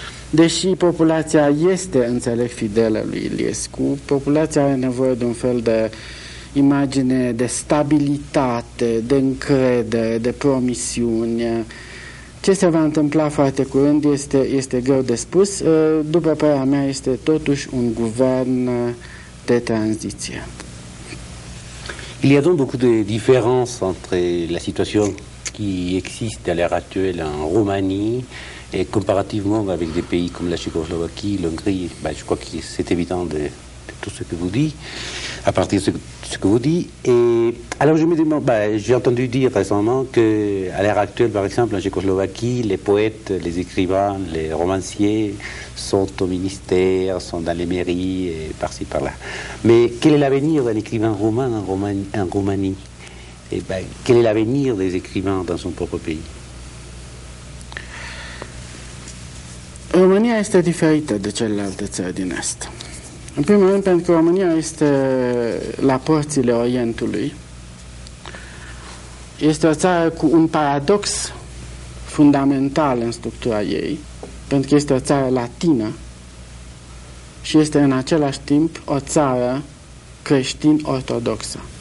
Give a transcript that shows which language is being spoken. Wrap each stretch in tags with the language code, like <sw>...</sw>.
<ro>Deși populația este, înțeleg, fidelă lui Iliescu, populația are nevoie de un fel de imagine de stabilitate, de încredere, de promisiune. Ce se va întâmpla foarte curând este greu de spus. După părerea mea, este totuși un guvern de tranziție.</ro> <fr>Il y a donc beaucoup de différence entre la situation qui existe à l'heure actuelle en Roumanie et comparativement avec des pays comme la Tchécoslovaquie, l'Hongrie, ben je crois que c'est évident de tout ce que vous dites, à partir de ce que vous dites. Et alors je me demande, ben, j'ai entendu dire récemment qu'à l'heure actuelle, par exemple, en Tchécoslovaquie, les poètes, les écrivains, les romanciers sont au ministère, sont dans les mairies, et par-ci, par-là. Mais quel est l'avenir d'un écrivain roumain en Roumanie? Et ben, quel est l'avenir des écrivains dans son propre pays?</fr> <ro>România este diferită de celelalte țări din Est. În primul rând pentru că România este la porțile Orientului. Este o țară cu un paradox fundamental în structura ei, pentru că este o țară latină și este în același timp o țară creștin-ortodoxă.</ro>